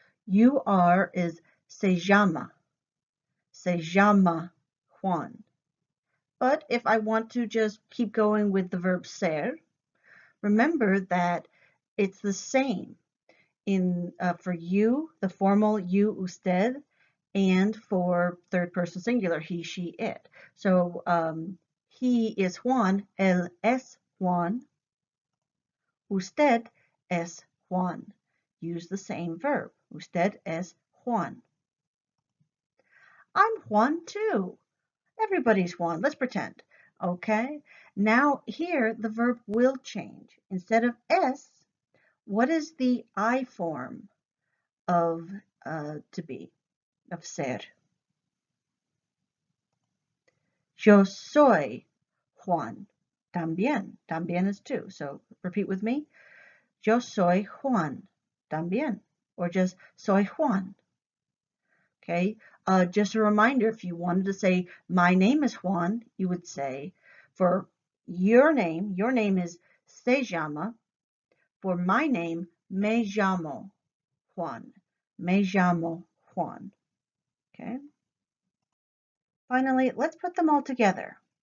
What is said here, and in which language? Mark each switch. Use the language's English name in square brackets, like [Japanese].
[Spanish] You are is se llama. Se llama Juan. [English] But if I want to just keep going with the verb ser, remember that it's the same in for you, the formal you, usted, and for third person singular, he, she, it. So he is Juan, [Spanish] él es Juan, usted es Juan. [English] Use the same verb, [Spanish] usted es Juan. [English] I'm Juan too. Everybody's Juan, let's pretend, okay? Now here, the verb will change. Instead of S, what is the I form of to be, of ser? [Spanish] Yo soy Juan. También, también [English] is too. So repeat with me. [Spanish] Yo soy Juan. También, [English] or just [Spanish] soy Juan. [English] Okay, just a reminder, if you wanted to say my name is Juan, you would say for your name is [Spanish] se llama. [English] For my name, [Spanish] me llamo Juan. Me llamo Juan. [English] Okay. Finally, let's put them all together.